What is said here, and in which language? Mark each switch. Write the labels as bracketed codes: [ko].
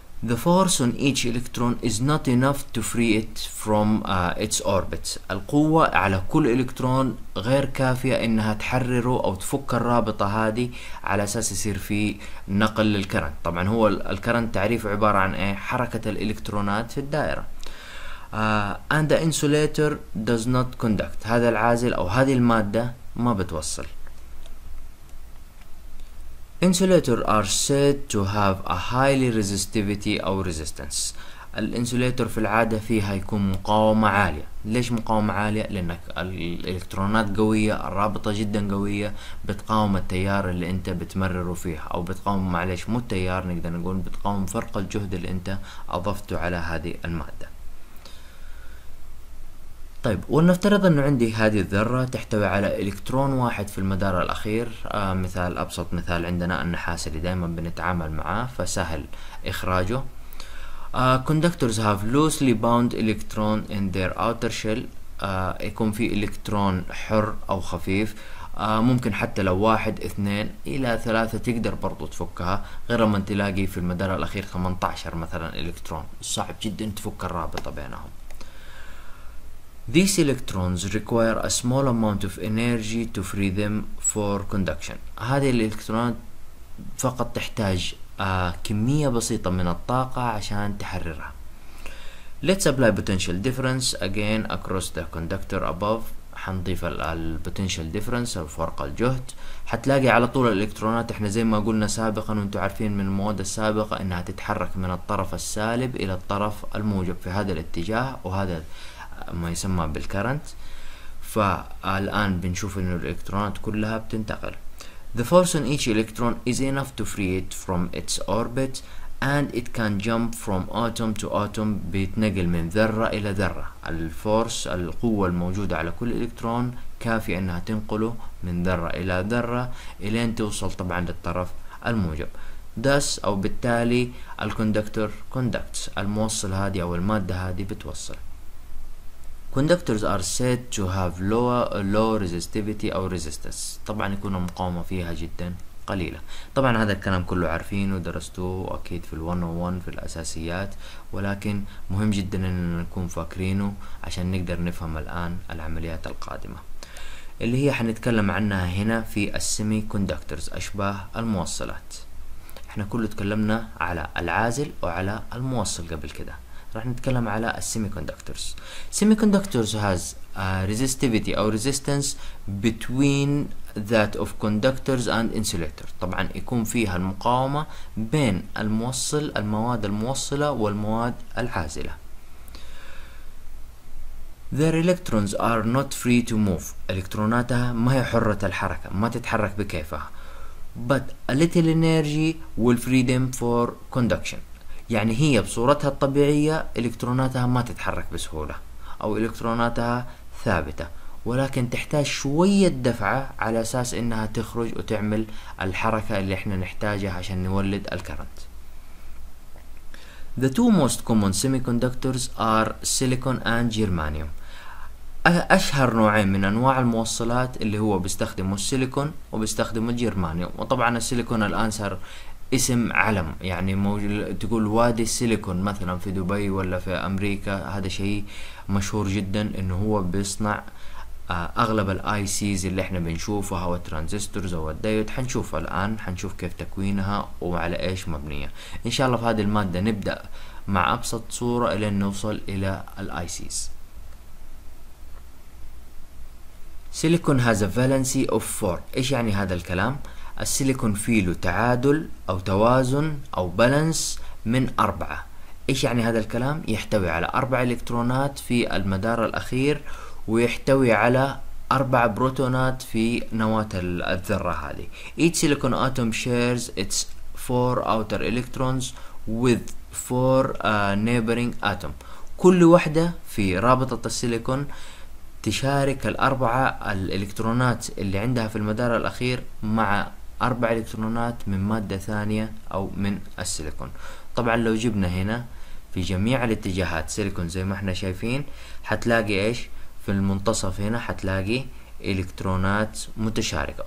[en] The force on each electron is not enough to free it from its orbit، [ar] القوة على كل الكترون غير كافية انها تحرره او تفك الرابطة هذه على اساس يصير في نقل للكرنت. طبعا هو الكرنت تعريفه عبارة عن ايه؟ حركة الالكترونات في الدائرة. [en] And the insulator does not conduct، [ar] هذا العازل او هذه المادة ما بتوصل. [en] Insulators are said to have a highly resistivity or resistance، [ar] الانسوليتر في العادة فيها يكون مقاومة عالية. ليش مقاومة عالية؟ لأنك الالكترونات قوية، الرابطة جدا قوية، بتقاوم التيار اللي انت بتمرره فيها، او بتقاوم، معلش مو التيار، نقدر نقول بتقاوم فرق الجهد اللي انت اضفته على هذه المادة. طيب ولنفترض انه عندي هذه الذرة تحتوي على الكترون واحد في المدار الاخير. مثال، ابسط مثال عندنا النحاس اللي دائما بنتعامل معاه فسهل اخراجه. [en] Conductors have loosely bound electron in their outer shell، [ar] يكون في الكترون حر او خفيف، ممكن حتى لو 1، 2 إلى 3 تقدر برضو تفكها، غير لما تلاقي في المدار الاخير 18 مثلا الكترون، صعب جدا تفك الرابطة بينهم. [en] These electrons require a small amount of energy to free them for conduction، [ar] هذه الالكترونات فقط تحتاج كمية بسيطة من الطاقة عشان تحررها. [en] Let's apply potential difference again across the conductor above، [ar] حنضيف البوتنشال ديفرنس او فرق الجهد. حتلاقي على طول الالكترونات، احنا زي ما قلنا سابقا وانتم عارفين من المواد السابقة انها تتحرك من الطرف السالب الى الطرف الموجب في هذا الاتجاه، وهذا ما يسمى بالكرنت. فالآن بنشوف إنه الإلكترونات كلها بتنتقل. [en] The force on each electron is enough to free it from its orbit and it can jump from atom to atom، [ar] بيتنقل من ذرة إلى ذرة. الفورس، القوة الموجودة على كل إلكترون كافية إنها تنقله من ذرة إلى ذرة إلين توصل طبعا للطرف الموجب. Thus أو بالتالي الكوندكتور conducts، الموصل هذه أو المادة هذه بتوصل. [en] Conductors are said to have low resistivity [ar] أو resistance، طبعا يكون المقاومة فيها جدا قليلة. طبعا هذا الكلام كله عارفينه ودرستوه أكيد في الـ 101 في الأساسيات، ولكن مهم جدا إن نكون فاكرينه عشان نقدر نفهم الآن العمليات القادمة اللي هي حنتكلم عنها هنا في السيمي كوندكتورز، أشباه الموصلات. احنا كله تكلمنا على العازل وعلى الموصل قبل كده، راح نتكلم على السيمي كوندكتورز. [en] semiconductors has resistivity or resistance between that of conductors and insulator, [ar] طبعا يكون فيها المقاومه بين الموصل، المواد الموصله والمواد العازله. [en] Their electrons are not free to move. [ar] إلكتروناتها ما هي حرة الحركة، ما تتحرك بكيفها. [en] But a little energy will free them for conduction. [ar] يعني هي بصورتها الطبيعية إلكتروناتها ما تتحرك بسهولة، أو إلكتروناتها ثابتة، ولكن تحتاج شوية دفعة على أساس إنها تخرج وتعمل الحركة اللي إحنا نحتاجها عشان نولد الكرنت. [en] The two most common semiconductors are silicon and germanium. [ar] أشهر نوعين من أنواع الموصلات اللي هو بيستخدموا السيليكون وبيستخدموا الجرمانيوم. وطبعا السيليكون الآن صار اسم علم، يعني تقول وادي السيليكون مثلا في دبي ولا في أمريكا، هذا شيء مشهور جدا إنه هو بيصنع أغلب الآي سيز اللي احنا بنشوفها والترانزستورز والدايود. حنشوفها الآن، حنشوف كيف تكوينها وعلى إيش مبنية إن شاء الله في هذه المادة. نبدأ مع أبسط صورة إلى نوصل إلى الآي سيز. [en] Silicon has a valency of 4. [ar] إيش يعني هذا الكلام؟ السيليكون فيه له تعادل أو توازن أو بالانس من 4. إيش يعني هذا الكلام؟ يحتوي على 4 إلكترونات في المدار الأخير، ويحتوي على 4 بروتونات في نواة الذرة هذه. [en] Each silicon atom shares its 4 outer electrons with 4 neighboring atoms. [ar] كل واحدة في رابطة السيليكون تشارك الأربعة الإلكترونات اللي عندها في المدار الأخير مع 4 إلكترونات من مادة ثانية أو من السيليكون. طبعا لو جبنا هنا في جميع الاتجاهات سيليكون زي ما احنا شايفين، حتلاقي إيش في المنتصف هنا؟ حتلاقي إلكترونات متشاركة.